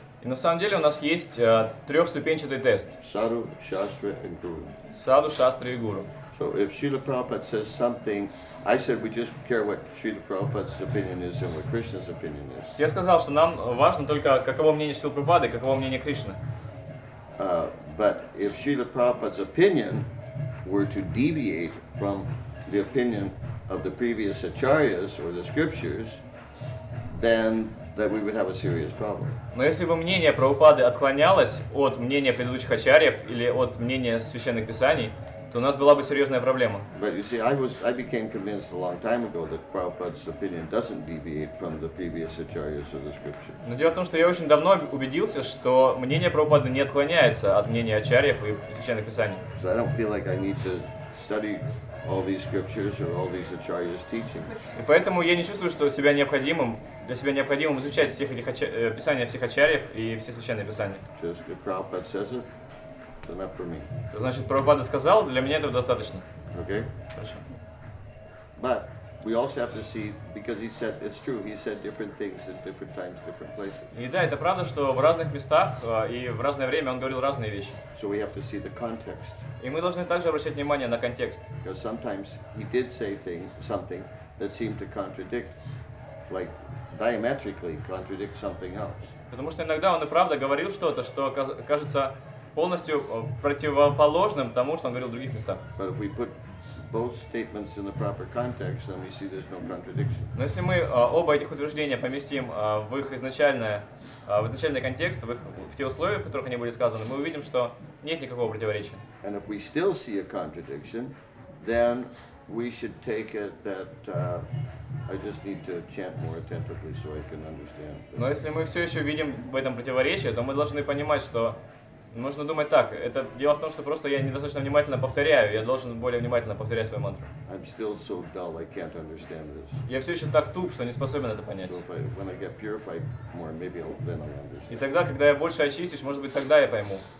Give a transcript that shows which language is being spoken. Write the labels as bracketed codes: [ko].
[ru] И на самом деле у нас есть трехступенчатый тест. [en] Sadhu, Shastra and Guru. [ru] Sadhu, Shastra и Guru. [en] So if Srila Prabhupada says something, I said we just care what Srila Prabhupada's opinion is and what Krishna's opinion is. [ru] Я сказал, что нам важно только каково мнение Шрилы Прабхупады, каково мнение Кришны. [en] But if Srila Prabhupada's opinion were to deviate from the opinion of the previous acharyas or the scriptures, then that we would have a serious problem. [ru] Но если бы мнение Прабхупады отклонялось от мнения предыдущих ачарьев или от мнения священных писаний, то у нас была бы серьезная проблема. [en] But you see, I became convinced a long time ago that Prabhupada's opinion doesn't deviate from the previous acharyas or the scriptures. [ru] Но дело в том, что я очень давно убедился, что мнение Прабхупады не отклоняется от мнения ачарьев и священных писаний. [en] So I don't feel like I need to study all these scriptures or all these acharyas' teachings. [ru] И поэтому я не чувствую, что себя необходимым для себя необходимым изучать всех этих писания всех ачарьев и все священные писания. [en] Just if Prabhupada says it. Enough for me. [ru] Значит, Прабхупада сказал, для меня этого достаточно. [en] Okay. [ru] Хорошо. [en] But we also have to see, because he said it's true, he said different things at different times, different places. [ru] И да, это правда, что в разных местах и в разное время он говорил разные вещи. [en] So we have to see the context. [ru] И мы должны также обращать внимание на контекст. [en] Because sometimes he did say something that seemed to contradict, like diametrically contradict something else. [ru] Потому что иногда он и правда говорил что-то, что кажется полностью противоположным тому, что он говорил в других местах. [en] But if we put both statements in the proper context, then we see there's no contradiction. [ru] Но если мы оба этих утверждения поместим в их изначальный контекст, в те условия, в которых они были сказаны, мы увидим, что нет никакого противоречия. [en] And if we still see a contradiction, then we should take it that I just need to chant more attentively so I can understand. [ru] Но если мы все еще видим в этом противоречие, то мы должны понимать, что нужно думать так. Это дело в том, что просто я недостаточно внимательно повторяю. Я должен более внимательно повторять свою мантру. [en] I'm still so dull, I can't understand this. [ru] Я все еще так туп, что не способен это понять. [en] So when I get purified more, maybe I'll, then I'll understand. [ru] И тогда, когда я больше очистишь, может быть, тогда я пойму.